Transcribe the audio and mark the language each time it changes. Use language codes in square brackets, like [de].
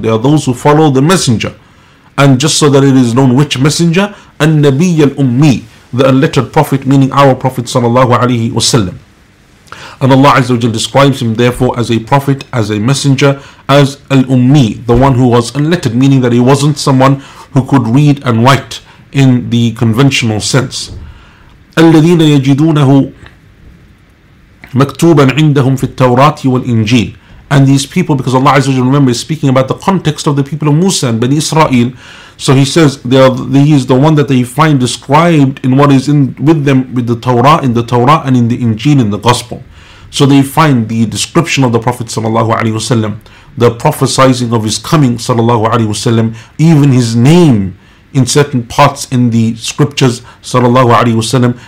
[en] They are those who follow the messenger. And just so that it is known which messenger, [ar] النبي الأمي, [en] the unlettered prophet, meaning our prophet sallallahu alayhi wa sallam. And Allah Azza wa Jal describes him therefore as a prophet, as a messenger, as al-ummi, the one who was unlettered, meaning that he wasn't someone who could read and write in the conventional sense. [ar] الذين يجدونه مكتوبا عندهم في التوراة والإنجيل. [en] And these people, because Allah Azza wa Jalla, remember, is speaking about the context of the people of Musa and Bani Israel. So he says, he is the one that they find described in what is in with them, with the Torah, in the Torah and in the Injil, in the Gospel. So they find the description of the Prophet sallallahu alayhi wa sallam, the prophesizing of his coming sallallahu alayhi wa sallam, even his name in certain parts in the scriptures sallallahu alayhi wa sallam.